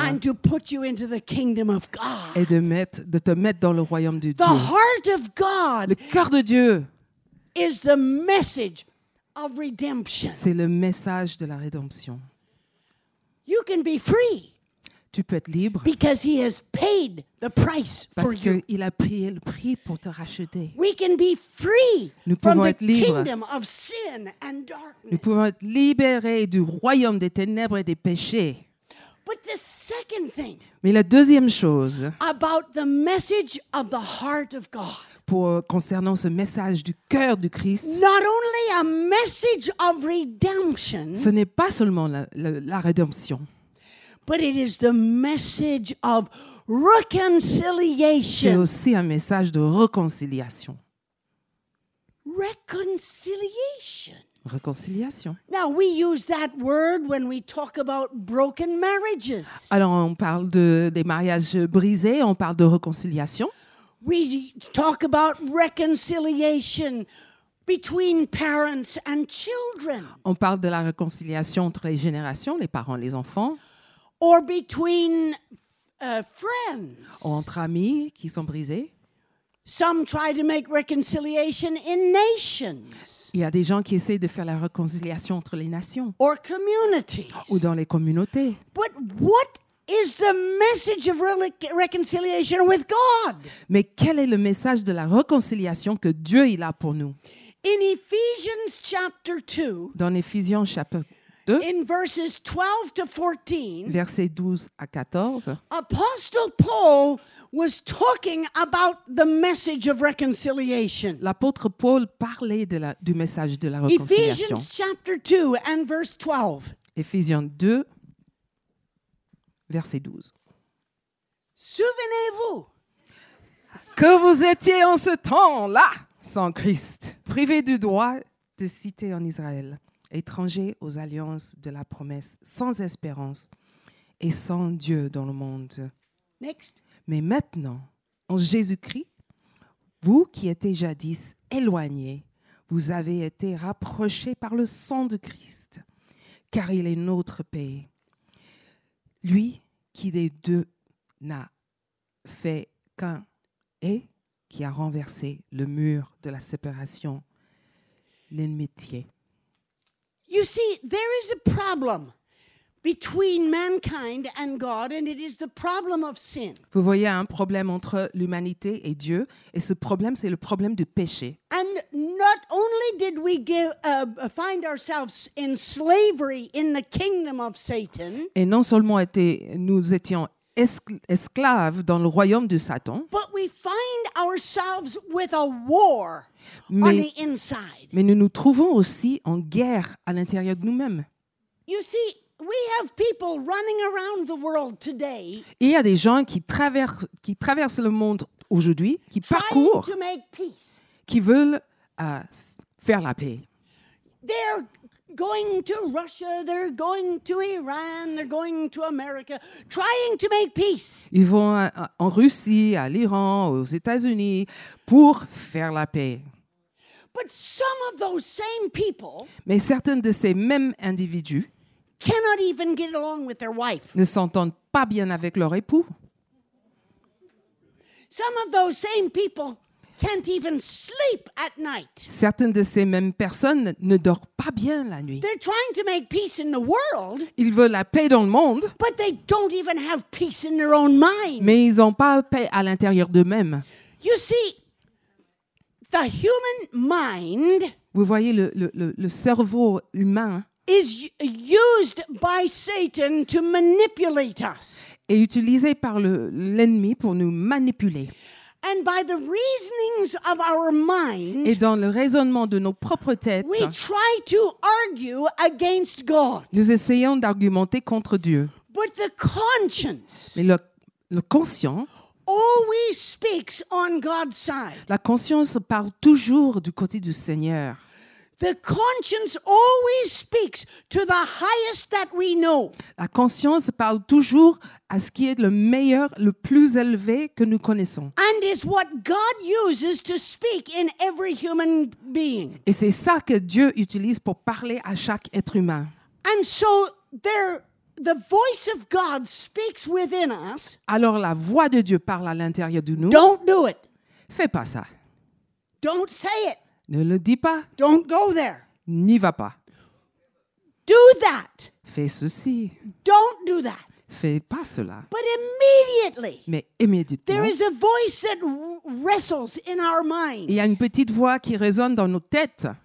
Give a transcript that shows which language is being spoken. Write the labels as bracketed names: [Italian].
[English] And to put you into the kingdom of God. [French] Et de te mettre dans le royaume de Dieu. [English] The heart of God. [French] Le cœur de Dieu. [English] Is the message of redemption. [French] C'est le message de la rédemption. [English] You can be free. [French] Tu peux être libre. [English] Because he has paid the price for you. [French] Parce qu'il a payé le prix pour te racheter. [English] We can be free. [French] Nous pouvons [English] from [French] être [English] the [French] libres. [English] Kingdom of sin and darkness. [French] Nous pouvons être libérés du royaume des ténèbres et des péchés. [English] But the second thing. [French] Mais la deuxième chose. [English] About the message of the heart of God. [French] Pour concernant ce message du cœur du Christ. [English] Not only a message of redemption. [French] Ce n'est pas seulement la rédemption. [English] But it is the message of reconciliation. [French] C'est aussi un message de réconciliation. [English] Reconciliation. [French] Réconciliation. [English] Now we use that word when we talk about broken marriages. [French] Alors on parle des mariages brisés, on parle de réconciliation. [English] We talk about reconciliation between parents and children. [French] On parle de la réconciliation entre les générations, les parents, les enfants. [English] Or between friends. [French] Ou entre amis qui sont brisés. [English] Some try to make reconciliation in nations. [French] Il y a des gens qui essaient de faire la réconciliation entre les nations. [English] Or communities. [French] Ou dans les communautés. [English] But what is the message of reconciliation with God? [French] Mais quel est le message de la réconciliation que Dieu il a pour nous? [English] In Ephesians chapter 2. [French] Dans Éphésiens chapitre 2. [English] In verses 12 to 14. [French] Versets 12 à 14. [English] Apostle Paul was talking about the message of reconciliation. [French] L'apôtre Paul parlait du message de la réconciliation. [English] Ephesians chapter 2 and verse 12. [French] Éphésiens 2, verset 12. Souvenez-vous que vous étiez en ce temps-là sans Christ, privés du droit de cité en Israël, étrangers aux alliances de la promesse, sans espérance et sans Dieu dans le monde. [English] Next. [French] Mais maintenant, en Jésus-Christ, vous qui étiez jadis éloignés, vous avez été rapprochés par le sang de Christ, car il est notre paix. Lui qui des deux n'a fait qu'un et qui a renversé le mur de la séparation, l'ennemitié. [English] You see, there is a problem between mankind and God, and it is the problem of sin. [French] Vous voyez un problème entre l'humanité et Dieu, et ce problème, c'est le problème du péché. [English] And not only did we find ourselves in slavery in the kingdom of Satan. [French] Et non seulement nous étions esclaves dans le royaume de Satan. [English] But we find ourselves with a war on the inside. [French] Mais nous nous trouvons aussi en guerre à l'intérieur de nous-mêmes. [English] You see, we have people running around the world today. [French] Il y a des gens qui traversent le monde aujourd'hui, qui parcourent, [English] to make peace. [French] Qui veulent faire la paix. [English] They're going to Russia, they're going to Iran, they're going to America, trying to make peace. [French] Ils vont en Russie, à l'Iran, aux États-Unis pour faire la paix. [English] But some of those same people. [French] Mais certains de ces mêmes individus. [English] Cannot even get along with their wife. [French] Ne s'entendent pas bien avec leur époux. [English] Some of those same people can't even sleep at night. [French] Certaines de ces mêmes personnes ne dorment pas bien la nuit. [English] They're trying to make peace in the world. [French] Ils veulent la paix dans le monde. [English] But they don't even have peace in their own mind. [French] Mais ils n'ont pas paix à l'intérieur d'eux-mêmes. [English] You see, the human mind. [French] Vous voyez le cerveau humain. [English] Is used by Satan to manipulate us. [French] Est utilisé par l'ennemi pour nous manipuler. [English] And by the reasonings of our mind, [French] et dans le raisonnement de nos propres têtes, [English] we try to argue against God. [French] Nous essayons d'argumenter contre Dieu. [English] But the conscience, [French] mais le conscient, [English] always speaks on God's side. [French] La conscience parle toujours du côté du Seigneur. [English] The conscience always speaks to the highest that we know. [French] La conscience parle toujours à ce qui est le meilleur, le plus élevé que nous connaissons. [English] And is what God uses to speak in every human being. [French] Et c'est ça que Dieu utilise pour parler à chaque être humain. [English] And so the voice of God speaks within us. [French] Alors la voix de Dieu parle à l'intérieur de nous. [English] Don't do it. [French] Fais pas ça. [English] Don't say it. [French] Ne le dis pas. [English] Don't go there. [French] N'y va pas. [English] Do that. [French] Fais ceci. [English] Don't do that. [French] fais pas cela. [English] But immediately, [French] mais immédiatement, [English] there is a voice that wrestles in our mind. [French] Il y a une petite voix qui résonne dans nos têtes.